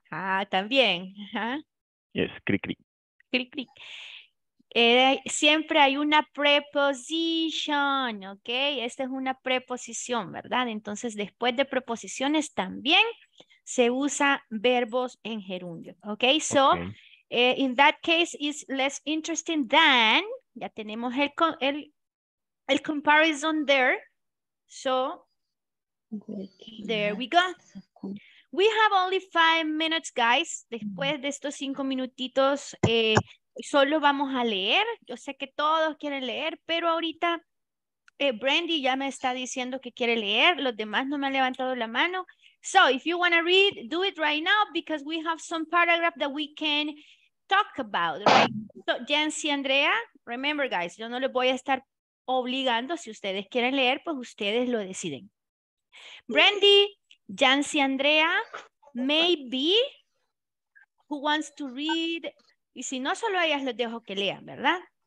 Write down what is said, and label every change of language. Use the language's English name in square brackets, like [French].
[Spanish] Ah, también. [English] Yes, cric, cric. [Spanish] Cric, cric. Siempre hay una preposición, ¿ok? Esta es una preposición, ¿verdad? Entonces, después de preposiciones también se usa verbos en gerundio, ¿ok? [English] So, in that case, it's less interesting than, ya tenemos el comparison there. So, there we go. We have only 5 minutes, guys. [Spanish] Después de estos 5 minutitos, solo vamos a leer. Yo sé que todos quieren leer, pero ahorita Brandy ya me está diciendo que quiere leer. Los demás no me han levantado la mano. [English] So, if you want to read, do it right now because we have some paragraph that we can talk about, right? So, Jancy, Andrea, remember, guys, yo no les voy a estar obligando. [Spanish] Si ustedes quieren leer, pues ustedes lo deciden. [English] Brandy, Jancy, Andrea, maybe, who wants to read? [Spanish] Y si no, solo a ellas les dejo que lean, ¿verdad?